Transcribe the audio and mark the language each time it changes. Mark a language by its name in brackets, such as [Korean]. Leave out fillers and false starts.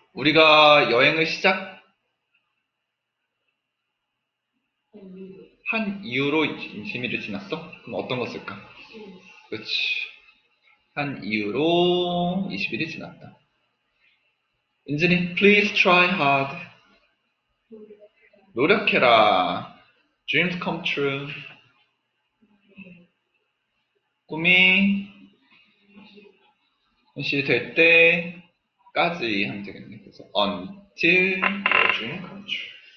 [Korean] 우리가 여행을 시작 한 이후로 20일이 지났어. 그럼 어떤 거 쓸까? 그치. 한 이후로 20일이 지났다. [English] 인진이, please try hard. [Korean] 노력해라. [English] Dreams come true. [Korean] 꿈이 현실될 때까지 하면 되겠네. 그래서 [English] until your dream come true.